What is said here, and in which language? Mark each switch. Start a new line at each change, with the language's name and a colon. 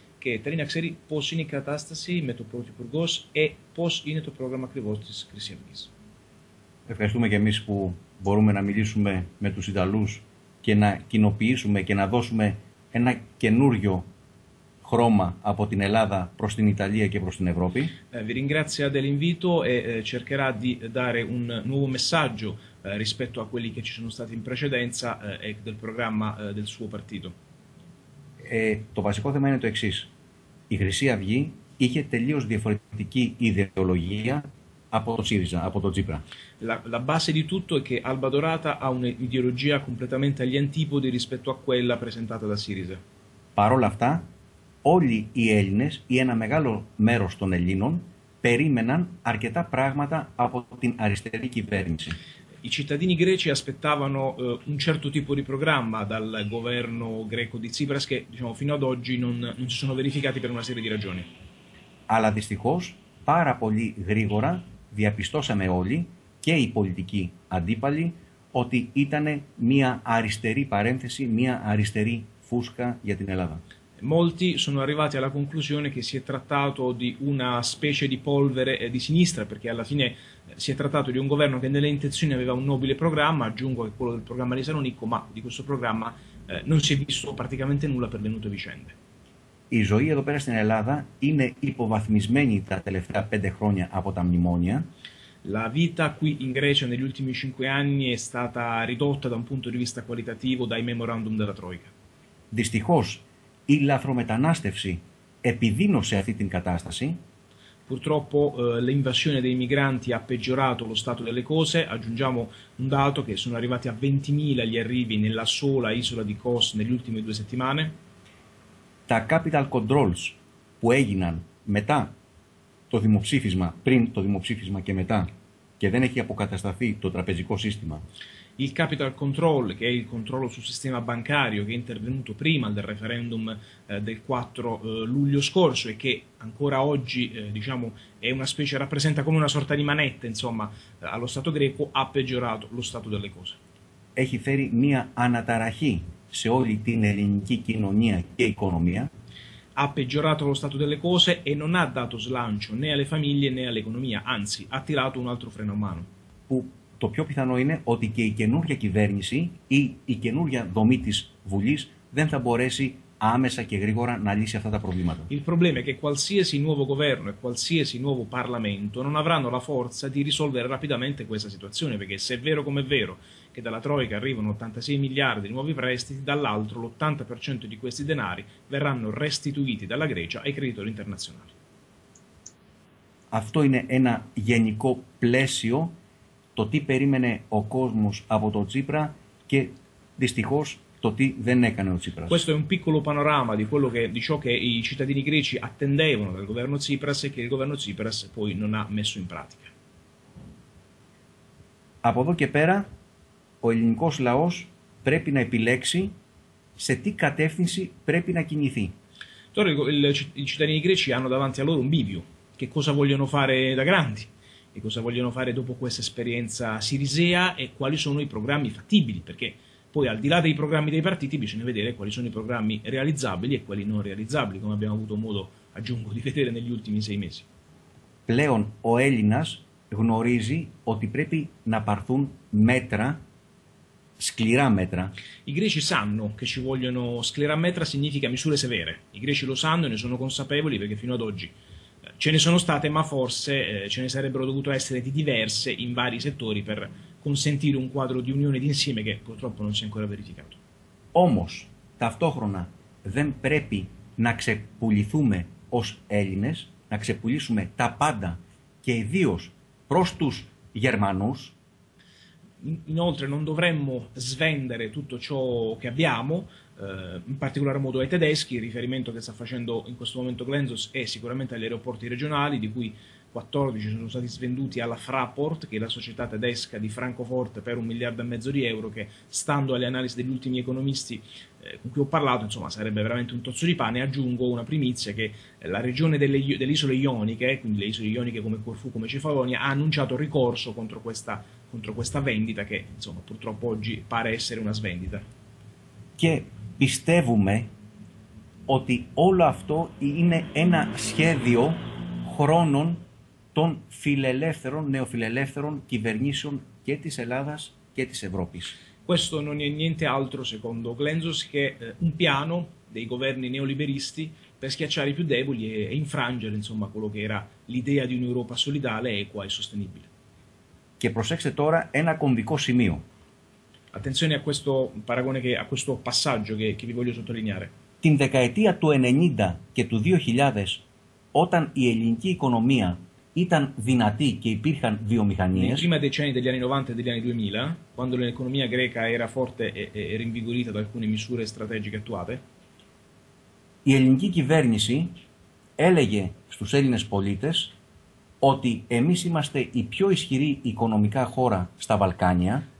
Greek: Che τρίνα ξέρει πώς είναι η κατάσταση με το Πρωθυπουργός και πώς είναι το πρόγραμμα ακριβώς της Χρυσή Αυγής. Ευχαριστούμε και εμείς που μπορούμε να μιλήσουμε με τους Ιταλούς και να κοινοποιήσουμε και να δώσουμε ένα καινούριο χρώμα από την Ελλάδα προς την Ιταλία και προς την Ευρώπη.
Italian: Vi ringrazia dell'invito e cercherà di dare un nuovo messaggio rispetto a quelli che ci sono stati in precedenza e del programma del suo partito.
Greek: Το βασικό θέμα είναι το εξής. Η Χρυσή Αυγή είχε τελείως διαφορετική ιδεολογία από το ΣΥΡΙΖΑ, από το Τσίπρα.
Italian: La base di tutto è che Alba Dorata ha un'ideologia completamente agli antipodi rispetto a quella presentata da Siriza.
Greek: Παρόλα αυτά, όλοι οι Έλληνες ή ένα μεγάλο μέρος των Ελλήνων περίμεναν αρκετά πράγματα από την αριστερή κυβέρνηση.
Italian: I cittadini greci aspettavano un certo tipo di programma dal governo greco di Tsipras che, diciamo, fino ad oggi non si sono verificati per una serie di ragioni.
Greek: Αλλά δυστυχώς πάρα πολύ γρήγορα διαπιστώσαμε όλοι και οι πολιτικοί αντίπαλοι ότι ήταν μια αριστερή παρένθεση, μια αριστερή φούσκα για την Ελλάδα.
Italian: Molti sono arrivati alla conclusione che si è trattato di una specie di polvere di sinistra, perché alla fine si è trattato di un governo che nelle intenzioni aveva un nobile programma, aggiungo che quello del programma di Salonicco, ma di questo programma non si è visto praticamente nulla per venute vicende.
Greek: Η ζωή εδώ πέρα στην Ελλάδα είναι υποβαθμισμένη τα τελευταία 5 χρόνια από τα μνημόνια.
Italian: La vita qui in Grecia negli ultimi 5 anni è stata ridotta da un punto di vista qualitativo dai memorandum della Troica.
Greek: Δυστυχώς η λαθρομετανάστευση επιδείνωσε αυτή την κατάσταση.
Italian: Purtroppo l'invasione dei migranti ha peggiorato lo stato delle cose. Aggiungiamo un dato che sono arrivati a 20.000 gli arrivi nella sola isola di Kos nelle ultime 2 settimane.
Greek: Τα capital controls που έγιναν μετά το δημοψήφισμα, πριν το δημοψήφισμα και μετά, και δεν έχει αποκατασταθεί το τραπεζικό σύστημα.
Italian: Il capital control, che è il controllo sul sistema bancario, che è intervenuto prima del referendum del 4 luglio scorso e che ancora oggi diciamo, è una specie, rappresenta come una sorta di manette, insomma, allo Stato greco, ha peggiorato lo stato delle cose.
Greek: Έχει φέρει μια αναταραχή σε όλη την ελληνική κοινωνία και οικονομία.
Italian: Ha peggiorato lo stato delle cose e non ha dato slancio né alle famiglie né all'economia, anzi, ha tirato un altro freno a mano.
Greek: Που το πιο πιθανό είναι ότι και η καινούργια κυβέρνηση ή η καινούργια δομή της Βουλής δεν θα μπορέσει άμεσα και γρήγορα να λύσει αυτά τα προβλήματα.
Italian: Il problema è che qualsiasi nuovo governo e qualsiasi nuovo parlamento non avranno la forza di risolvere rapidamente questa situazione, perché se è vero come è vero che dalla Troica arrivano 86 miliardi di nuovi prestiti, dall'altro l'80% di questi denari verranno restituiti dalla Grecia ai creditori internazionali.
Greek: Αυτό είναι ένα γενικό πλαίσιο το τι περίμενε ο κόσμος από τον Τσίπρα και δυστυχώς το τι δεν έκανε ο Τσίπρας.
Italian: Questo è un piccolo panorama di quello che di ciò che i cittadini greci attendevano dal governo Tsipras e che il governo Tsipras poi non ha messo in pratica.
Greek: Από εδώ και πέρα ο ελληνικός λαός πρέπει να επιλέξει σε τι κατεύθυνση πρέπει να κινηθεί. Τώρα οι
Italian: cittadini greci hanno davanti a loro un bivio. Che cosa vogliono fare da grandi? E cosa vogliono fare dopo questa esperienza sirisea? E quali sono i programmi fattibili? Perché poi al di là dei programmi dei partiti bisogna vedere quali sono i programmi realizzabili e quali non realizzabili, come abbiamo avuto modo, aggiungo, di vedere negli ultimi sei mesi.
Greek: Πλέον ο Έλληνας γνωρίζει ότι πρέπει να πάρθουν μέτρα, σκληρά μέτρα.
Italian: I greci sanno che ci vogliono
Greek: σκληρά μέτρα,
Italian: significa misure severe. I greci lo sanno e ne sono consapevoli perché fino ad oggi ce ne sono state, ma forse ce ne sarebbero dovuto essere di diverse in vari settori per consentire un quadro di unione d'insieme che purtroppo non si è ancora verificato.
Greek: Όμως, ταυτόχρονα, δεν πρέπει να ξεπουληθούμε ως Έλληνες, να ξεπουλήσουμε τα πάντα και ιδίως προς τους Γερμανούς.
Italian: Inoltre, non dovremmo svendere tutto ciò che abbiamo, in particolar modo ai tedeschi. Il riferimento che sta facendo in questo momento Glenzos è sicuramente agli aeroporti regionali, di cui 14 sono stati svenduti alla Fraport, che è la società tedesca di Francoforte, per 1,5 miliardi di euro, che stando alle analisi degli ultimi economisti con cui ho parlato, insomma, sarebbe veramente un tozzo di pane. Aggiungo una primizia, che la regione delle isole ioniche, quindi le isole ioniche come Corfù, come Cefalonia, ha annunciato ricorso contro questa vendita, che insomma purtroppo oggi pare essere una svendita.
Greek: Και πιστεύουμε ότι όλο αυτό είναι ένα σχέδιο χρόνων των φιλελεύθερων, νεοφιλελεύθερων κυβερνήσεων και της Ελλάδας και της Ευρώπης.
Italian: Questo non è niente altro, secondo Glenzos, che un piano dei governi neoliberisti per schiacciare i più deboli e infrangere, insomma, quello che era l'idea di un'Europa solidale, equa e sostenibile.
Greek: Και προσέξτε τώρα ένα κομβικό σημείο.
Italian: Attenzione a questo paragone, a questo passaggio che vi voglio sottolineare.
Greek: Την δεκαετία του 90 και του 2000, όταν η ελληνική οικονομία ήταν δυνατή και υπήρχαν βιομηχανίες.
Italian: Nei primi decenni degli anni 90 e degli anni 2000, quando l'economia greca era forte e rinvigorita da alcune misure strategiche attuate.
Greek: Η ελληνική κυβέρνηση έλεγε στους Έλληνες πολίτες ότι εμείς είμαστε η πιο ισχυρή οικονομικά χώρα στα Βαλκάνια.